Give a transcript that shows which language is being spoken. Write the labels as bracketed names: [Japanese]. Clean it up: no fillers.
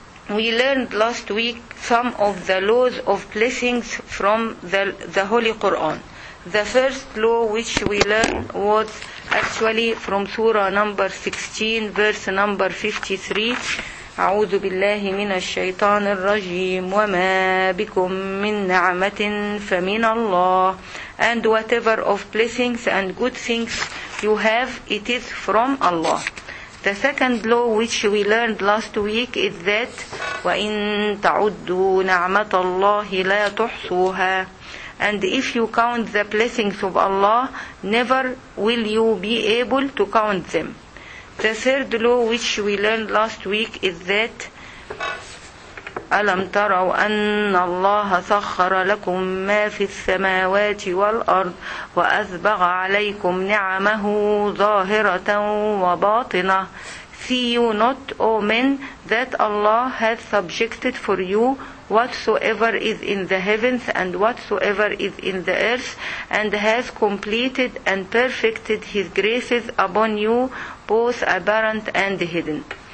[English] We learned last week some of the laws of blessings from the Holy Quran. The first law which we learned was actually from Surah number 16, verse number 53. [Arabic] أعوذ بالله من الشيطان الرجيم وما بكم من نعمة فمن الله. [English] And whatever of blessings and good things you have, it is from Allah. The second law which we learned last week is that [Arabic] وَإِن تَعُدُّوا نَعْمَةَ اللَّهِ لَا تُحْصُوهَا. [English] And if you count the blessings of Allah, never will you be able to count them. The third law which we learned last week is that [Arabic] أَلَمْ تَرَوْا أَنَّ اللَّهَ سَخَّرَ لَكُمْ مَا فِي السَّمَاوَاتِ وَالْأَرْضِ وَأَسْبَغَ عَلَيْكُمْ نِعَمَهُ ظَاهِرَةً وَبَاطِنَةً. [English] See you not, O men, that Allah has subjected for you whatsoever is in the heavens and whatsoever is in the earth, and has completed and perfected his graces upon you, both apparent and hidden.